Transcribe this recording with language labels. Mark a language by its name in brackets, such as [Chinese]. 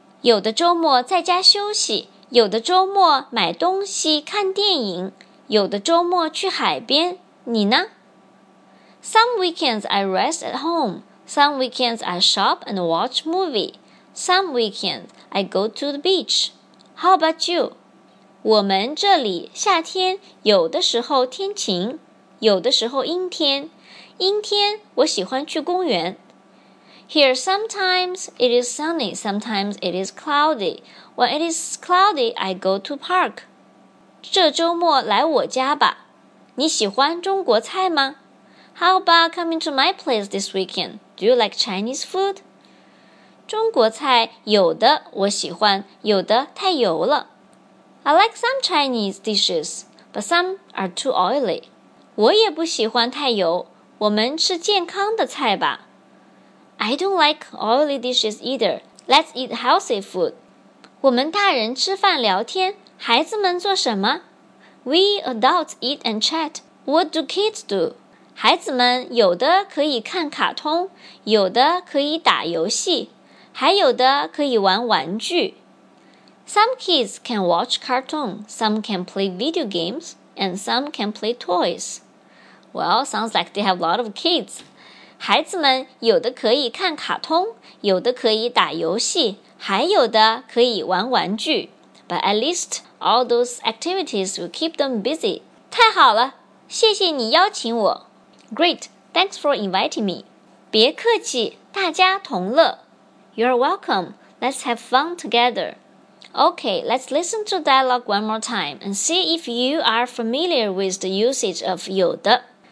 [Chinese] 有的周末在家休息,有的周末买东西看电影,有的周末去海边,你呢? [English] Some weekends I rest at home, some weekends I shop and watch movie, some weekends I go to the beach. How about you? [Chinese] 我们这里夏天有的时候天晴，有的时候阴天。阴天我喜欢去公园。 [English] Here sometimes it is sunny, sometimes it is cloudy. When it is cloudy, I go to park. [Chinese] 这周末来我家吧。你喜欢中国菜吗? [English] How about coming to my place this weekend? Do you like Chinese food? [Chinese] 中国菜有的我喜欢，有的太油了。 [English] I like some Chinese dishes, but some are too oily. [Chinese] 我也不喜欢太油，我们吃健康的菜吧。 [English] I don't like oily dishes either. Let's eat healthy food. [Chinese] 我们大人吃饭聊天，孩子们做什么？ [English] We adults eat and chat. What do kids do? [Chinese] 孩子们有的可以看卡通，有的可以打游戏，还有的可以玩玩具。 [English] Some kids can watch cartoons, some can play video games, and some can play toys. Well, sounds like they have a lot of kids. [Chinese] 孩子们有的可以看卡通，有的可以打游戏，还有的可以玩玩具。 [English] But at least all those activities will keep them busy. [Chinese] 太好了，谢谢你邀请我。 [English] Great, thanks for inviting me. [Chinese] 别客气，大家同乐。 [English] You're welcome, let's have fun together. Okay, let's listen to dialogue one more time and see if you are familiar with the usage of 有的。